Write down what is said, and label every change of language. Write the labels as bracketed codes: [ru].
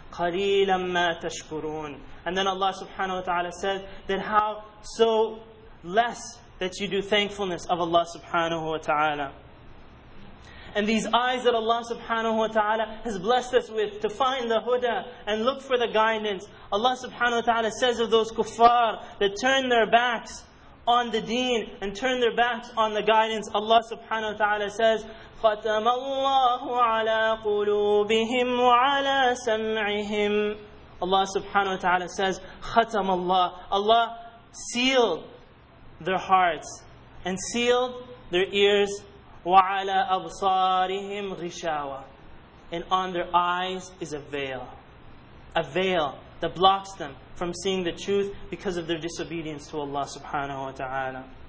[ar] قَلِيلًا مَا تَشْكُرُونَ. [en] And then Allah subhanahu wa ta'ala said that how so less that you do thankfulness of Allah subhanahu wa ta'ala. And these eyes that Allah subhanahu wa ta'ala has blessed us with to find the huda and look for the guidance. Allah subhanahu wa ta'ala says of those kuffar that turn their backs on the deen and turn their backs on the guidance. Allah subhanahu wa ta'ala says, [ar] خَتَمَ اللَّهُ عَلَىٰ قُلُوبِهِمْ وَعَلَىٰ سَمْعِهِمْ. [en] Allah subhanahu wa ta'ala says, [ar] خَتَمَ اللَّهُ. [en] Allah sealed their hearts and sealed their ears [ar] وَعَلَىٰ أَبْصَارِهِمْ غِشَاوَةٌ. [en] And on their eyes is a veil. A veil that blocks them from seeing the truth because of their disobedience to Allah subhanahu wa ta'ala.